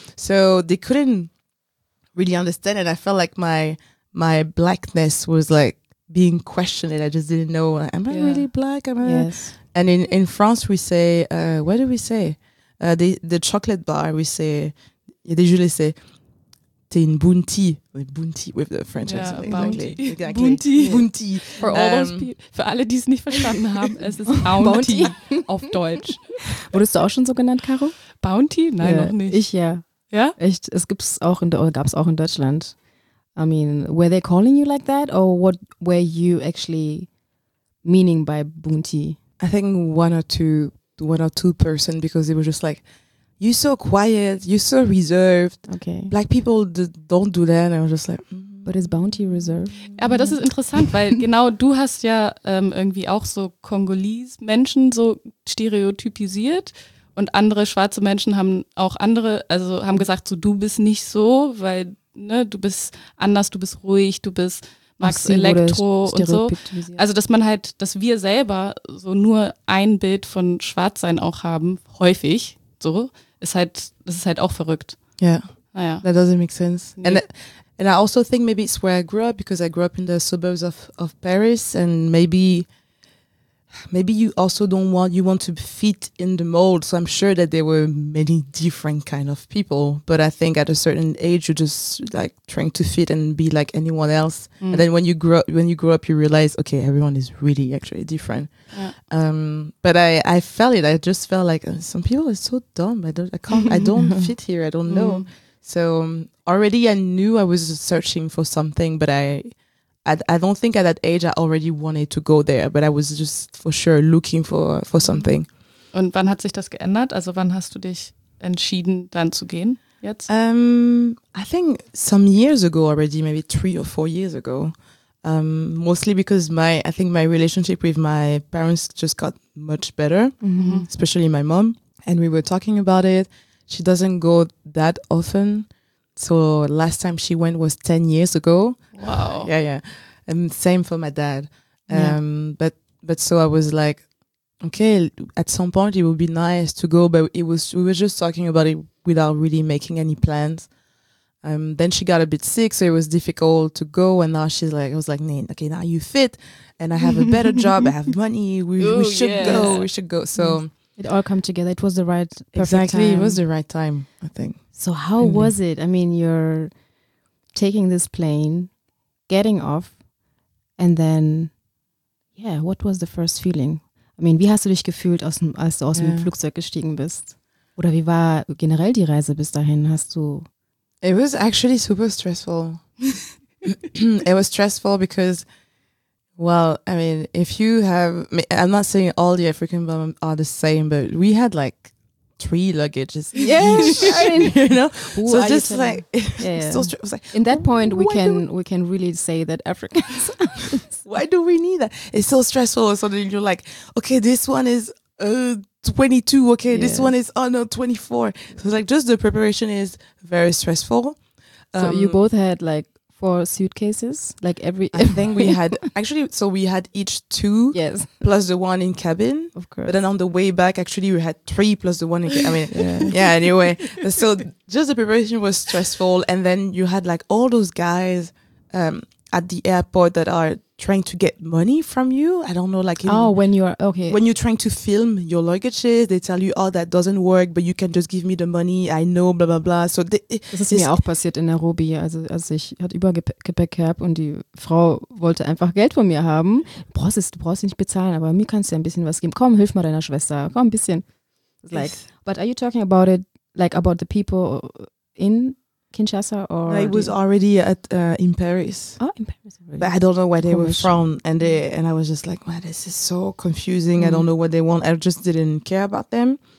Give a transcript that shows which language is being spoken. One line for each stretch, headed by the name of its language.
English: So they couldn't really understand it. I felt like my blackness was like being questioned. I just didn't know, like, am I really black? Am I? Yes. And in France, we say, what do we say? The chocolate bar, we say, they usually say,
French: t'es une bounty.
English: With bounty, with the French accent. Yeah, bounty. Exactly. Bounty. Bounty. For all those people,
German: für alle, die es nicht verstanden haben, es ist Bounty, bounty. Auf Deutsch. Wurdest du auch schon so genannt, Caro? Bounty? Nein, noch nicht. Ich ja. Ja? Echt, es gibt's auch in gab's auch in Deutschland.
English: I mean, were they calling you like that? Or what were you actually meaning by bounty? I think one or two person, because they were just like, you're so quiet, you're so reserved. Okay. Black people don't do that. And I was just like, but is bounty reserved?
German: Aber das ist interessant, weil genau du hast ja irgendwie auch so Kongolese-Menschen so stereotypisiert. Und andere schwarze Menschen haben auch andere, also haben gesagt, so du bist nicht so, weil ne, du bist anders, du bist ruhig, du bist magst Elektro und so. Also dass man halt, dass wir selber so nur ein Bild von Schwarzsein auch haben, häufig so, ist halt, das ist halt auch verrückt.
English: Yeah.
German: Naja.
English: That doesn't make sense. Nee. And I also think maybe it's where I grew up, because I grew up in the suburbs of Paris, and maybe you also don't want, you want to fit in the mold. So I'm sure that there were many different kind of people. But I think at a certain age, you're just like trying to fit and be like anyone else. Mm. And then when you grow up, you realize, okay, everyone is really actually different. Yeah. But I felt it. I just felt like some people are so dumb. I don't fit here. I don't know. So already I knew I was searching for something, but I don't think at that age I already wanted to go there, but I was just for sure looking for something.
German: Und wann hat sich das geändert? Also wann hast du dich entschieden, dann zu gehen jetzt?
English: I think some years ago already, maybe 3 or 4 years ago. Mostly because my relationship with my parents just got much better, especially my mom. And we were talking about it. She doesn't go that often. So last time she went was 10 years ago. Wow. Yeah. And same for my dad. But so I was like, okay, at some point it would be nice to go, but we were just talking about it without really making any plans. Then she got a bit sick, so it was difficult to go. And now she's like, I was like, Nain, okay, now you fit and I have a better job. I have money. We should go. So it all came together. It was the right, perfect exactly, time. It was the right time, I think. So how was it? I mean, you're taking this plane, getting off, and then, yeah, what was the first feeling?
German: I mean, wie hast du dich gefühlt, als du aus dem Flugzeug gestiegen bist? Oder wie war generell die Reise bis dahin? Hast du?
English: It was actually super stressful. It was stressful because, well, I mean, if you have, I'm not saying all the African women are the same, but we had like 3 luggages. Yeah, you know. Ooh, so just like, in that point, we can really say that Africans. Why do we need that? It's so stressful. So then you're like, okay, this one is 22. Okay, yeah. This one is 24. So like, just the preparation is very stressful. So you both had like 4 suitcases. Like every I think we had actually. So we had each 2. Yes. Plus the one in cabin. Of course. But then on the way back, actually, we had 3 plus the one in cabin. I mean, yeah. Anyway, so just the preparation was stressful, and then you had like all those guys at the airport that are trying to get money from you. I don't know, like when you're trying to film your luggages, they tell you, oh, that doesn't work, but you can just give me the money, I know, blah blah blah. So
German: das ist mir auch passiert in Nairobi, also als ich hatte Übergepäck gehabt und die Frau wollte einfach Geld von mir haben. Du brauchst nicht bezahlen, aber mir kannst du ein bisschen was geben, komm, hilf mal deiner Schwester, komm, ein bisschen.
English: Like, but are you talking about it like about the people in Kinshasa or it was already at in Paris. Oh, in Paris. Really? But I don't know where they were from, and I was just like, wow, this is so confusing. I don't know what they want. I just didn't care about them.